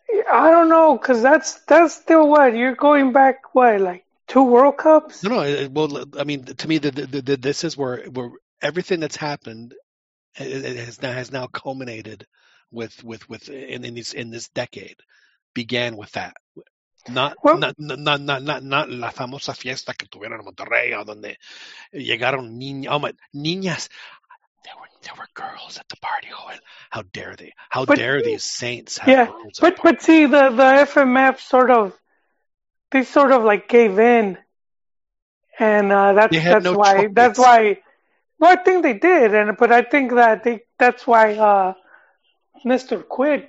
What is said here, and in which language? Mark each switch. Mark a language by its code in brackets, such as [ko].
[en] I don't know, because that's still what? You're going back, what, like 2 World Cups? No, well, I mean, to me, the this is where everything that's happened has now culminated with in this decade began with that. Not [es] la famosa fiesta que tuvieron en Monterrey, o donde llegaron niñas. [en] There were girls at the party. Joel. How dare they? How dare these saints have girls? But see, the FMF sort of gave in, and that's why. Well, I think they did, but I think that's why Nestor quit.